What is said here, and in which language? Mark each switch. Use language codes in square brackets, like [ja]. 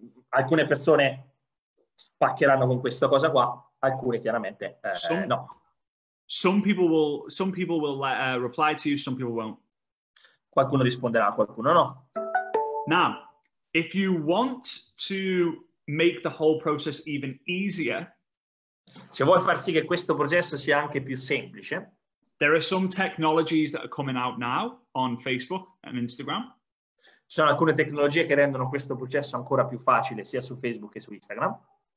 [it] Alcune persone spaccheranno con questa cosa qua, alcune chiaramente no. [en] Some people will reply to you, some people won't. [it] Qualcuno risponderà, qualcuno no. [en] Now, if you want to make the whole process even easier, [it] se vuoi far sì che questo processo sia anche più semplice, [en] there are some technologies that are coming out now on Facebook and Instagram. [it] Ci sono alcune tecnologie che rendono questo processo ancora più facile sia su Facebook che su Instagram.